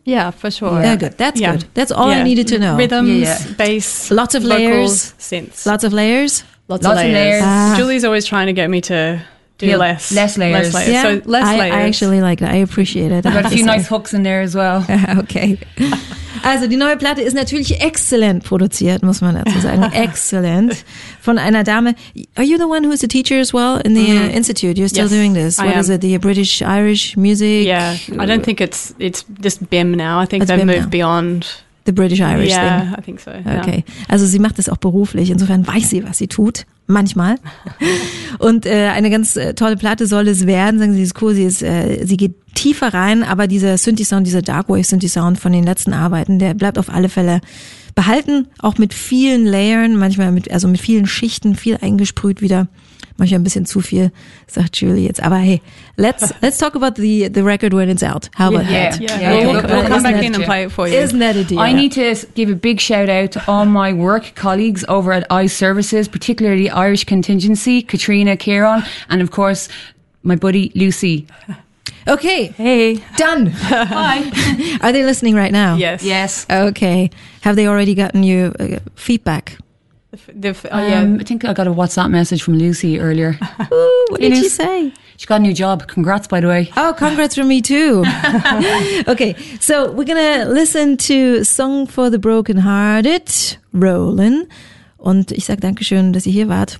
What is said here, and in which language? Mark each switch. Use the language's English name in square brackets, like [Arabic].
[English] Yeah, for sure. Yeah, good. That's good. That's all I needed to know. Rhythms, bass, lots of layers. Vocals, synths. Lots of layers? Lots of layers. Julie's always trying to get me to... Less layers. I actually like that. I appreciate it. We've got a few nice hooks in there as well. Okay. [German] Also, die neue Platte ist natürlich exzellent produziert, muss man dazu sagen. [English] Excellent. [German] Von einer Dame. [English] Are you the one who is a teacher as well in the institute? You're still doing this. What is it? The British Irish music? Yeah. I don't think it's just BIM now. I think they've moved beyond. The British Irish thing. Yeah, I think so. Yeah. [German] Okay. Also, sie macht das auch beruflich. Insofern weiß sie, was sie tut. Manchmal. Und eine ganz tolle Platte soll es werden. Sagen Sie, sie ist cool. Sie geht tiefer rein, aber dieser Synthi-Sound, dieser Darkwave-Synthi-Sound von den letzten Arbeiten, der bleibt auf alle Fälle behalten. Auch mit vielen Layern, manchmal mit vielen Schichten, viel eingesprüht wieder. Manchmal ein bisschen zu viel, sagt Julie jetzt. Aber [English] hey, let's talk about the record when it's out. How about that? Yeah. We'll come back in and play it for you. Isn't that a deal? I need to give a big shout out to all my work colleagues over at iServices, particularly Irish Contingency, Katrina, Kieran, and of course, my buddy Lucy. Okay. Hey. Done. Hi. Are they listening right now? Yes. Yes. Okay. Have they already gotten you feedback? I think I got a WhatsApp message from Lucy earlier. Ooh, what did she say? She got a new job. Congrats, by the way. Oh, congrats from me too. Okay, so we're going to listen to Song for the Broken Hearted, Roland. [German] Und ich sage Dankeschön, dass ihr hier wart.